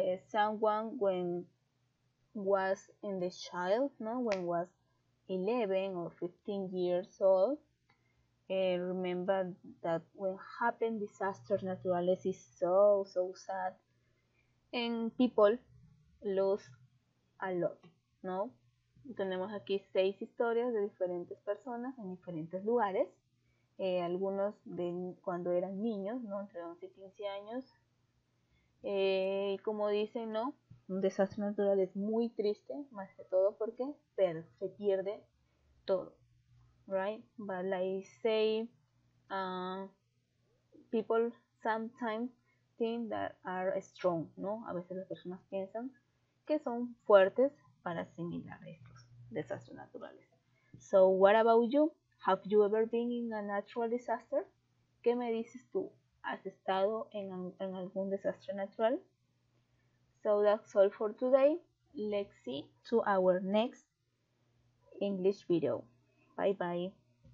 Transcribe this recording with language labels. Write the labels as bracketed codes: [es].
[en] Someone when was in the child, no, when was 11 or 15 years old, remember that when happened disaster naturales is so sad, and people lose a lot, no. [es] Tenemos aquí seis historias de diferentes personas en diferentes lugares, algunos de cuando eran niños, no, entre 11 y 15 años. Como dicen, ¿no? Un desastre natural es muy triste, más que todo porque se pierde todo, [en] right? But like say, people sometimes think that are strong, [es] ¿no? A veces las personas piensan que son fuertes para asimilar estos desastres naturales. [en] So, what about you? Have you ever been in a natural disaster? [es] ¿Qué me dices tú? ¿Has estado en algún desastre natural? [en] So that's all for today. Let's see to our next English video. Bye bye.